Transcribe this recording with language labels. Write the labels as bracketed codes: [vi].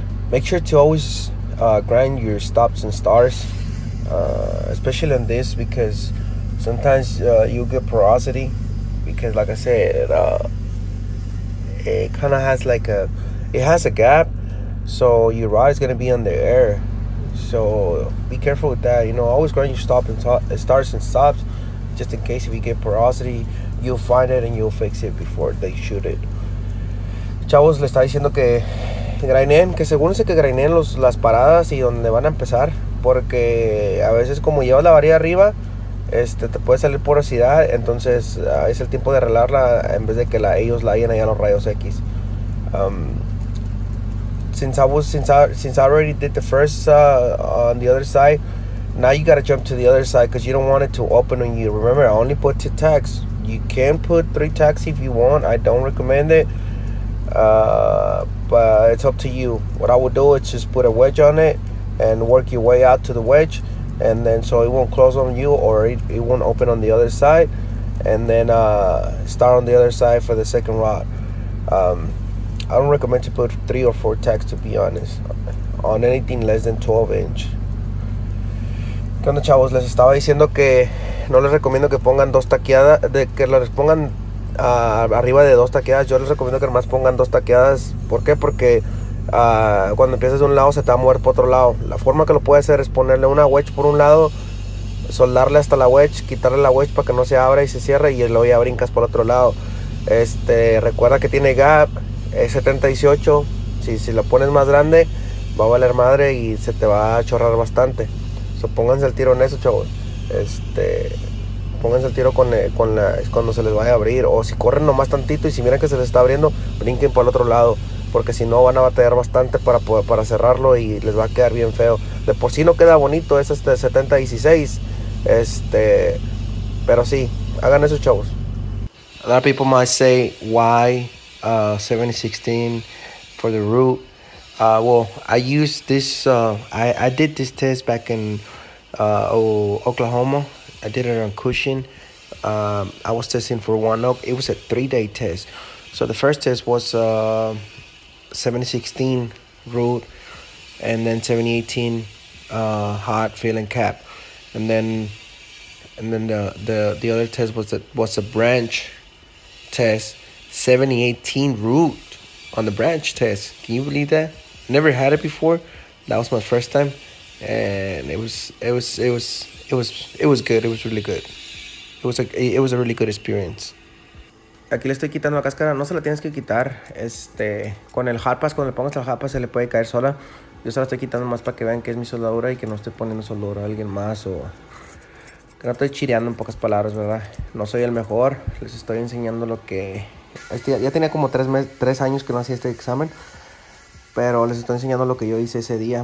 [en] Make sure to always grind your stops and starts, especially in this, because sometimes you get porosity, because like I said, it kind of has like a, it has a gap, so your rod is going to be on the air. So be careful with that. You know, always grind your stop and starts and stops, just in case if you get porosity, you'll find it and you'll fix it before they shoot it. [es] Chavos, le está diciendo que grineen, que asegúrense que grineen las paradas y donde van a empezar, porque a veces como llevas la varilla arriba, este, te puede salir porosidad. Entonces es el tiempo de arreglarla en vez de que ellos la hayan allá los rayos X. [en] Since I already did the first on the other side, now you gotta jump to the other side because you don't want it to open on you. Remember, I only put 2 tacks. You can put 3 tacks if you want. I don't recommend it, but it's up to you. What I would do is just put a wedge on it and work your way out to the wedge, and then so it won't close on you, or it won't open on the other side, and then start on the other side for the second rod. I don't recommend to put 3 or 4 tacks, to be honest, on anything less than 12 inch. [es] ¿Qué onda, chavos? Les estaba diciendo que no les recomiendo que pongan 2 taqueadas, de que les pongan arriba de 2 taqueadas. Yo les recomiendo que nomás pongan 2 taqueadas. ¿Por qué? Porque cuando empiezas de un lado, se te va a mover por otro lado. La forma que lo puedes hacer es ponerle una wedge por un lado, soldarle hasta la wedge, quitarle la wedge para que no se abra y se cierre, y luego ya brincas por otro lado. Este, recuerda que tiene gap. Es 78, si lo pones más grande, va a valer madre y se te va a chorrar bastante. [en] So, [es] pónganse el tiro en eso, chavos. Este, pónganse el tiro cuando se les vaya a abrir. O si corren nomás tantito y si miran que se les está abriendo, brinquen por el otro lado. Porque si no, van a batallar bastante para cerrarlo y les va a quedar bien feo. De por sí no queda bonito, es este 70-16. Este, pero sí, hagan eso, chavos. [en] A lot of people might say, why 7016 for the root. Well, I used this, I did this test back in Oklahoma. I did it on Cushing. I was testing for one up. It was a 3-day test. So the first test was 7016 root, and then 7018 hot feeling cap, and then the other test was a branch test, 7018 root on the branch test. Can you believe that? Never had it before. That was my first time, and it was good. It was really good. It was a really good experience. [es] Aquí le estoy quitando la cáscara, no se la tienes que quitar. Con el [en] hard pass, [es] cuando le pongas el hard pass, se le puede caer sola. Yo se la estoy quitando más para que vean que es mi soldadura y que no esté poniendo soldadura a alguien más, o que no estoy chireando, en pocas palabras, ¿verdad? No soy el mejor, les estoy enseñando lo que... ya tenía como tres años que no hacía este examen, pero les estoy enseñando lo que yo hice ese día.